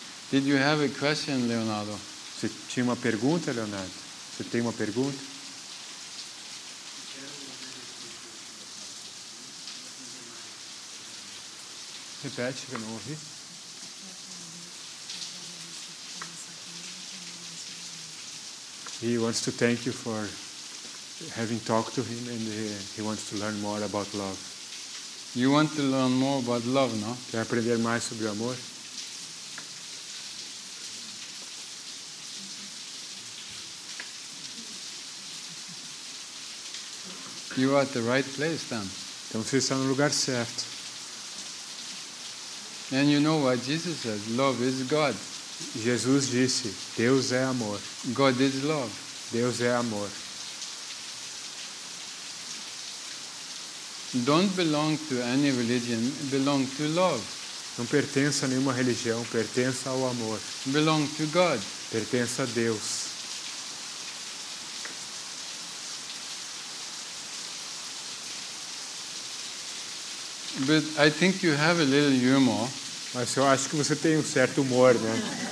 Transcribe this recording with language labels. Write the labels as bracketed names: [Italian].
[English] Did you have a question, Leonardo? [Portuguese] Você tinha uma pergunta, Leonardo? Você tem uma pergunta? Repete, que eu não ouvi. [English] He wants to thank you for having talked to him, and he wants to learn more about love. You want to learn more about love, no? [Portuguese] Quer aprender mais sobre o amor? [English] You are at the right place then. [Portuguese] Então você está no lugar certo. [English] And you know what Jesus said? Love is God. [Portuguese] Jesus disse, Deus é amor. [English] God is love. [Portuguese] Deus é amor. [English] Don't belong to any religion, belong to love. [Portuguese] Não pertença a nenhuma religião, pertença ao amor. [English] Belong to God. [Portuguese] Pertença a Deus. [English] But I think you have a little humor. [Portuguese] Mas eu acho que você tem um certo humor, né?